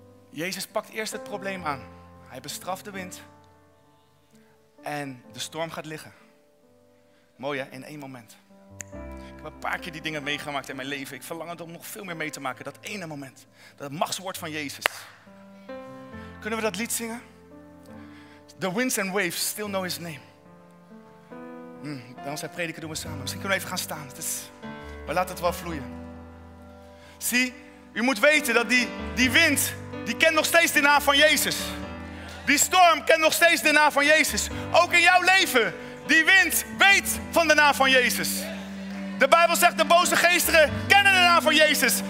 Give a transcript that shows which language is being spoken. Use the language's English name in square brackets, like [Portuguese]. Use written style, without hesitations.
[Dutch] Jezus pakt eerst het probleem aan. Hij bestraft de wind. En de storm gaat liggen. Mooi hè, in één moment. Ik heb een paar keer die dingen meegemaakt in mijn leven. Ik verlang het om nog veel meer mee te maken. Dat ene moment. Dat machtswoord van Jezus. Kunnen we dat lied zingen? [English] The winds and waves still know his name. [Dutch] Dan zijn prediken doen we samen. Misschien kunnen we even gaan staan. Het is, maar laat het wel vloeien. Zie, u moet weten dat die wind, die kent nog steeds de naam van Jezus. Die storm kent nog steeds de naam van Jezus. Ook in jouw leven. Die wind weet van de naam van Jezus. De Bijbel zegt, de boze geesten kennen de naam van Jezus.